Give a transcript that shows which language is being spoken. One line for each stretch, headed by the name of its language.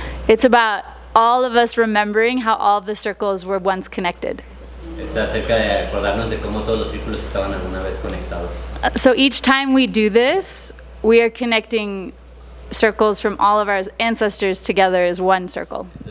English: It's about all of us remembering how all the circles were once connected.
Spanish: Es acerca de acordarnos de cómo todos los círculos estaban alguna vez conectados.
English: So each time we do this, we are connecting circles from all of our ancestors together is one circle.